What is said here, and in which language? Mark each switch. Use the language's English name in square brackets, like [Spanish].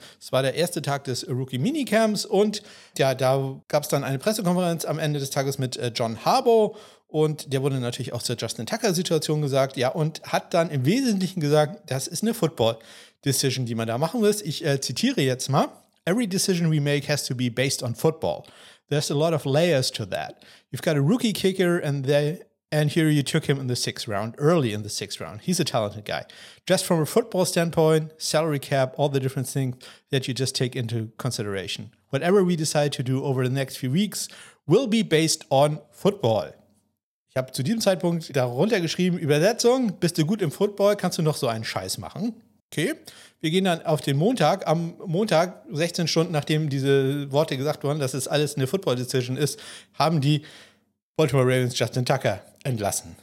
[German] Es war der erste Tag des Rookie Minicamps und ja, da gab es dann eine Pressekonferenz am Ende des Tages mit John Harbaugh und der wurde natürlich auch zur Justin Tucker-Situation gesagt. Ja, und hat dann im Wesentlichen gesagt, das ist eine Football-Decision, die man da machen muss. Ich zitiere jetzt mal: [English] Every decision we make has to be based on football. There's a lot of layers to that. You've got a rookie kicker and they. And here you took him in the sixth round, early in the sixth round. He's a talented guy. Just from a football standpoint, salary cap, all the different things that you just take into consideration. Whatever we decide to do over the next few weeks will be based on football. [German] Ich habe zu diesem Zeitpunkt darunter geschrieben, Übersetzung, bist du gut im Football, kannst du noch so einen Scheiß machen? Okay, wir gehen dann auf den Montag. Am Montag, 16 Stunden nachdem diese Worte gesagt wurden, dass es alles eine Football-Decision ist, haben die Baltimore Ravens Justin Tucker entlassen.